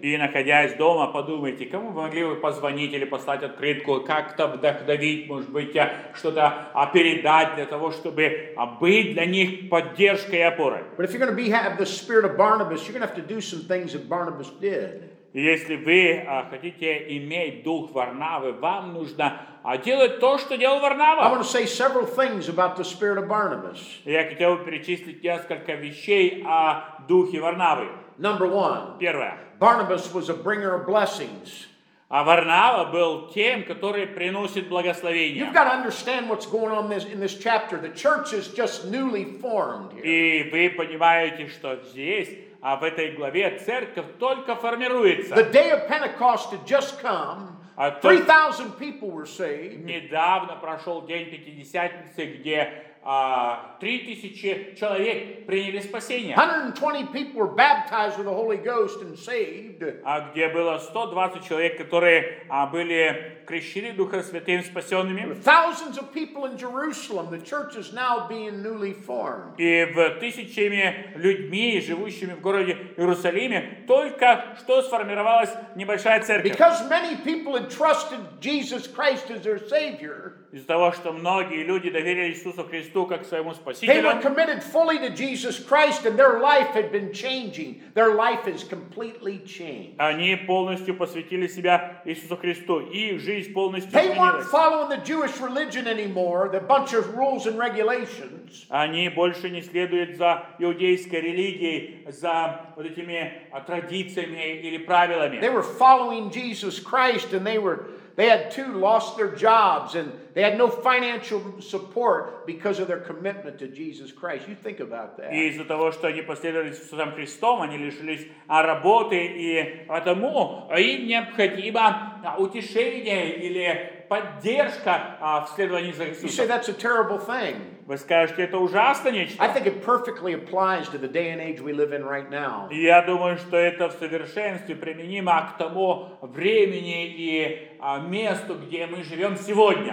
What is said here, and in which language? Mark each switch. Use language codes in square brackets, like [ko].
[ru] И находясь дома, подумайте, кому вы могли бы позвонить или послать открытку, как-то вдохновить, может быть, что-то передать для того, чтобы быть для них поддержкой и опорой. [en] But if you're going to have the spirit of Barnabas, you're going to have to do some things that Barnabas did. [ru] Если вы хотите иметь дух Варнавы, вам нужно делать то, что делал Варнава. [en] I want to say several things about the spirit of Barnabas. [ru] Я хотел бы перечислить несколько вещей о духе Варнавы. [en] Number one. [ru] Первое. [en] Barnabas was a bringer of blessings. [ru] А Варнава был тем, который приносит благословение. [en] You've got to understand what's going on in this chapter. The church is just newly formed here. [ru] И вы понимаете, что здесь. А в этой главе церковь только формируется. [en] The day of Pentecost had just come. 3,000 people were saved. [ru] Недавно прошел день Пятидесятницы, где 3,000 человек приняли спасение. [en] 120 people were baptized with the Holy Ghost and saved. [ru] А где было 120 человек, которые были крещены Духом Святым, спасенными. [en] Thousands of people in Jerusalem. The church is now being newly formed. [ru] И в тысячами людьми, живущими в городе Иерусалиме, только что сформировалась небольшая церковь. [en] Because many people had trusted Jesus Christ as their Savior. [ru] Из-за того, что многие люди доверили Иисусу Христу как своему спасителю. [en] They were committed fully to Jesus Christ, and their life had been changing. Their life is completely changed. [ru] Они полностью посвятили себя Иисусу Христу, и жизнь полностью изменилась. [en] They weren't following the Jewish religion anymore, the bunch of rules and regulations. [ru] Они больше не следуют за иудейской религией, за вот этими традициями или правилами. [en] They were following Jesus Christ, and they had too lost their jobs and they had no financial support because of their commitment to Jesus Christ. You think about that. [ru] Из-за того, что они последовали за Христом, они лишились работы, и потому им необходимо утешение или поддержка в следовании за Христом. [en] You say that's a terrible thing. [ru] Вы скажете, это ужасно нечто. [en] I think it perfectly applies to the day and age we live in right now. [ru] Я думаю, что это в совершенстве применимо к тому времени и месту, где мы живем сегодня.